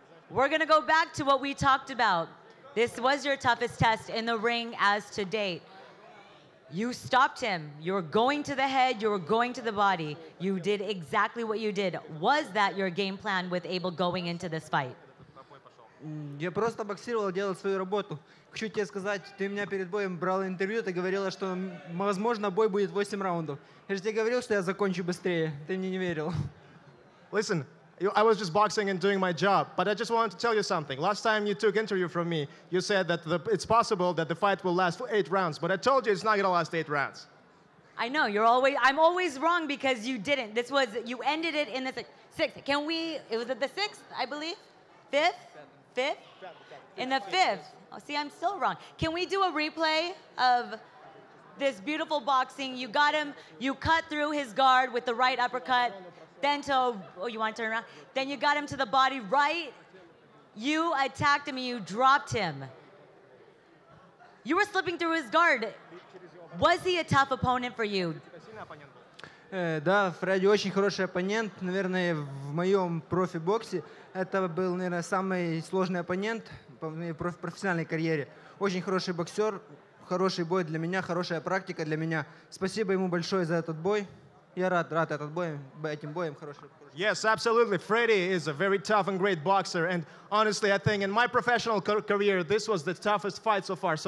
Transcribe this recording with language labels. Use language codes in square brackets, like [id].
[en] We're going to go back to what we talked about. This was your toughest test in the ring as to date. You stopped him. You were going to the head. You were going to the body. You did exactly what you did. Was that your game plan with Abel going into this fight? [ru] Я просто боксировал, делал свою работу. Хочу тебе сказать, ты меня перед боем брал интервью, ты говорила, что возможно бой будет 8 раундов. Я же тебе говорил, что я закончу быстрее. Ты мне не верил. [en] Listen, I was just boxing and doing my job, but I just wanted to tell you something. Last time you took interview from me, you said that it's possible that the fight will last 8 rounds, but I told you it's not going to last 8 rounds. I know. I'm always wrong because you didn't. This was, you ended it in the sixth. Can we, was it the sixth, I believe? Fifth? Fifth? In the fifth. Oh, see, I'm still wrong. Can we do a replay of this beautiful boxing? You got him. You cut through his guard with the right uppercut. Then to, oh, you want to turn around? Then you got him to the body, right? You attacked him and you dropped him. You were slipping through his guard. Was he a tough opponent for you? [ru] Да, Фредди очень хороший оппонент. Наверное, в моем профи-боксе это был, наверное, самый сложный оппонент в профессиональной карьере. Очень хороший боксер, хороший бой для меня, хорошая практика для меня. Спасибо ему большое за этот бой. [en] Yes, absolutely. Freddie is a very tough and great boxer. And honestly, I think in my professional career, this was the toughest fight so far.